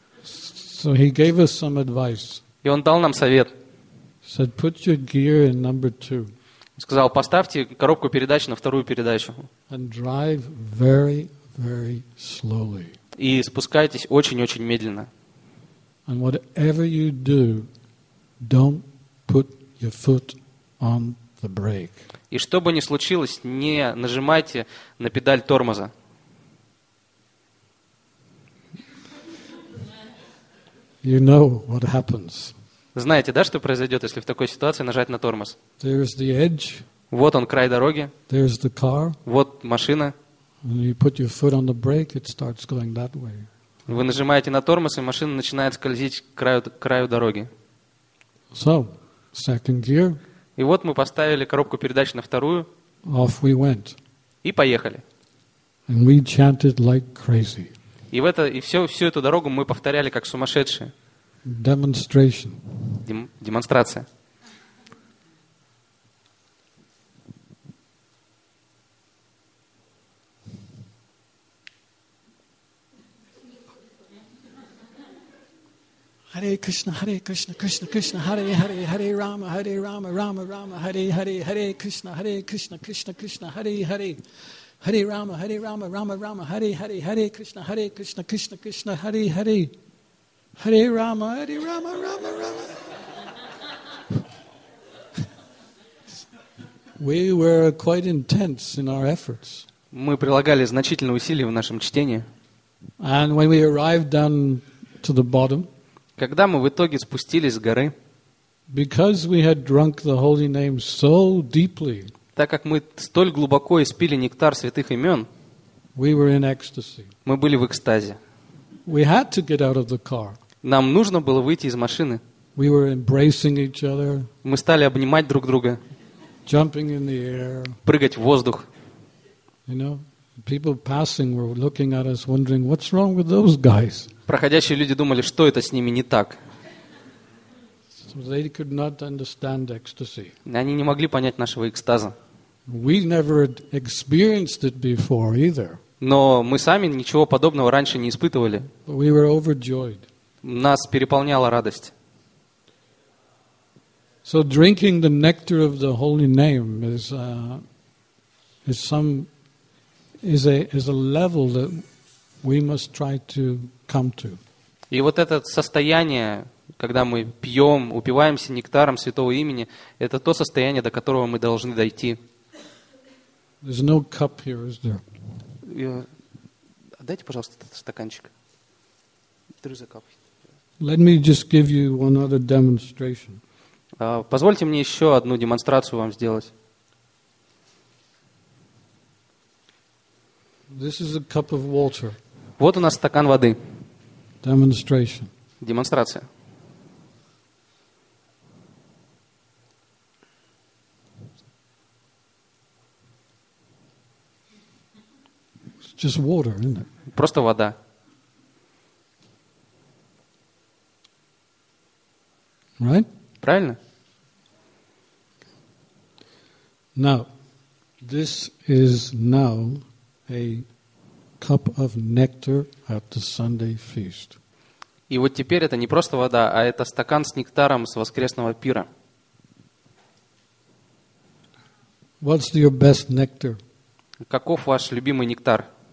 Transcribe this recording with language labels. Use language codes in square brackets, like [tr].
[en] So he gave us some advice. [ru] И он дал нам совет. [en] Said, put your gear in number two. [ru] Сказал, поставьте коробку передач на вторую передачу. [en] And drive very, very slowly. [ru] И спускайтесь очень-очень медленно. [en] And whatever you do, don't put your foot on the brake. [ru] И что бы ни случилось, не нажимайте на педаль тормоза. [en] You know what happens. [ru] Знаете, да, что произойдет, если в такой ситуации нажать на тормоз? [en] There is the edge. [ru] Вот он, край дороги. [en] There is the car. [ru] Вот машина. [en] When you put your foot on the brake, it starts going that way. [ru] Вы нажимаете на тормоз, и машина начинает скользить к краю дороги. [en] So, second gear. [ru] И вот мы поставили коробку передач на вторую. [en] Off we went. [ru] И поехали. [en] And we chanted like crazy. [ru] И в это, и всю эту дорогу мы повторяли как сумасшедшие. [en] Demonstration. [ru] Демонстрация. [sa] Hare Krishna, Hare Krishna, Krishna Krishna, Hare Hare, Hare Rama, Hare Rama, Rama Rama, Hare Hare, Hare Krishna, Hare Krishna, Krishna Krishna, Hare Hare. Hare Rama, Hare Rama, Rama Rama, Hare Hare, Hare Krishna, Hare Krishna, Krishna Krishna, Hare Hare. Hare Rama, Hare Rama, Rama Rama. [en] We were quite intense in our efforts. [ru] Мы прилагали значительные усилия в нашем чтении. [en] And when we arrived down to the bottom, [ru] когда мы в итоге спустились с горы, [en] because we had drunk the holy name so deeply, [ru] так как мы столь глубоко испили нектар святых имен, [en] we were in ecstasy. [ru] Мы были в экстазе. [en] We had to get out of the car. [ru] Нам нужно было выйти из машины. [en] We were embracing each other. [ru] Мы стали обнимать друг друга. [en] Jumping in the air. [ru] Прыгать в воздух. [en] You know, people passing were looking at us, wondering, what's wrong with those guys? [ru] Проходящие люди думали, что это с ними не так. [en] They could not understand ecstasy. [ru] Они не могли понять нашего экстаза. [en] We never experienced it before either. [ru] Но мы сами ничего подобного раньше не испытывали. [en] We were overjoyed. [ru] Нас переполняла радость. [en] So drinking the nectar of the holy name is a level that we must try to come to. [ru] И вот это состояние, когда мы пьем, упиваемся нектаром святого имени, это то состояние, до которого мы должны дойти. [en] There's no cup here, is there? [ru] Дайте, пожалуйста, этот стаканчик. [en] There is a cup. Let me just give you one other demonstration. [ru] Позвольте мне еще одну демонстрацию вам сделать. [en] This is a cup of water. [ru] Вот у нас стакан воды. [en] Demonstration. [ru] Демонстрация. [en] Just water, isn't it? [ru] Просто вода. [en] Right? [ru] Правильно? [en] Now, this is now a cup of nectar at the Sunday feast. [ru] И вот теперь это не просто вода, а это стакан с нектаром с воскресного пира. [en] What's your best nectar? [ru] Каков ваш любимый нектар?